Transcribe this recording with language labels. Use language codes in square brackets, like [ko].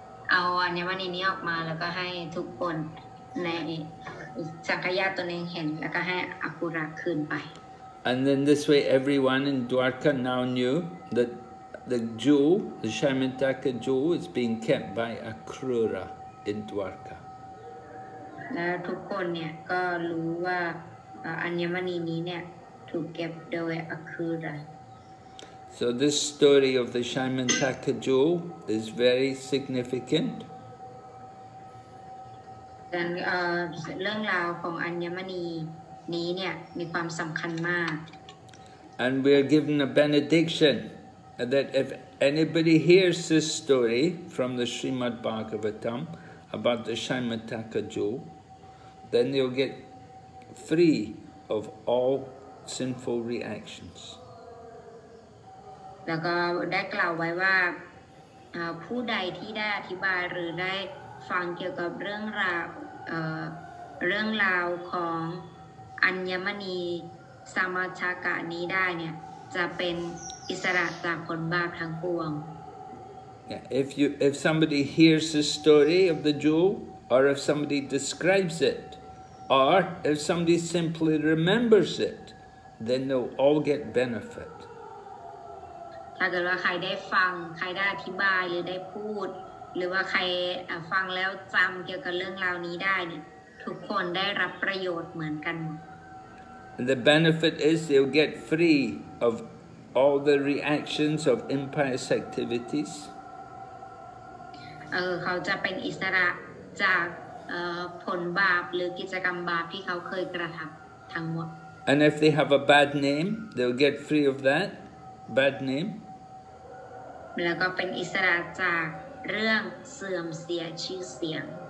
[th] เอาอัญมณีนี้ออกมาแล้วก็ให้ทุกคนในจักรยานตัวเองเห็นแล้วก็ให้อคุระคืนไป [en] And then this way everyone in Dwarka now knew that the jewel the Shyamantaka jewel is being kept by Akrura in Dwarka [th] แล้วทุกคนเนี่ยก็รู้ว่าอัญมณีนี้เนี่ยถูกเก็บโดยอคุระ [en] So this story of the Shyamantaka jewel is very significant. Then, [th] เรื่องราวของอัญมณีนี้เนี่ยมีความสำคัญมาก [en] And we are given a benediction that if anybody hears this story from the Srimad Bhagavatam about the Shyamantaka jewel, then they'll get free of all sinful reactions. [th] แล้วก็ได้กล่าวไว้ว่าผู้ใดที่ได้อธิบายหรือได้ฟังเกี่ยวกับเรื่องราวเรื่องราวของอัญมณีสามัญชากะนี้ได้เนี่ยจะเป็นอิสระจากผลบาปทั้งปวง [en] Yeah, if somebody hears the story of the jewel or if somebody describes it or if somebody simply remembers it then they'll all get benefit. [th] ถ้าเกิดว่าใครได้ฟังใครได้อธิบายหรือได้พูดหรือว่าใครฟังแล้วจำเกี่ยวกับเรื่องราวนี้ได้เนี่ยทุกคนได้รับประโยชน์เหมือนกัน [en] And The benefit is they'll get free of all the reactions of impious activities. [th] เขาจะเป็นอิสระจากผลบาปหรือกิจกรรมบาปที่เขาเคยกระทำทั้งหมด [en] And if they have a bad name, they'll get free of that. Bad name. [th] แล้วก็เป็นอิสระจากเรื่องเสื่อมเสียชื่อเสียง